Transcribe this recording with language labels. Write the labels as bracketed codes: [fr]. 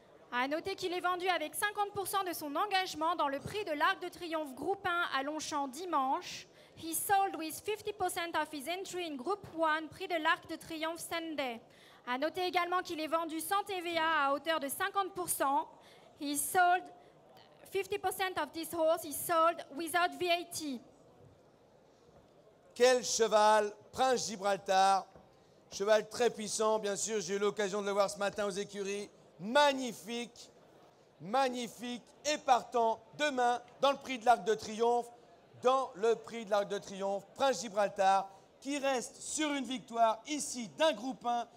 [fr] À noter qu'il est vendu avec 50% de son engagement dans le prix de l'Arc de Triomphe Group 1 à Longchamp dimanche. [en] He sold with 50% of his entry in Group 1, prix de l'Arc de Triomphe Sunday. [fr] À noter également qu'il est vendu sans TVA à hauteur de 50%. [en] He sold 50% of this horse, he sold without VAT. [fr] Quel cheval, Prince Gibraltar. Cheval très puissant, bien sûr, j'ai eu l'occasion de le voir ce matin aux écuries. Magnifique, magnifique et partant demain dans le prix de l'Arc de Triomphe, dans le prix de l'Arc de Triomphe, Prince Gibraltar qui reste sur une victoire ici d'un groupe 1.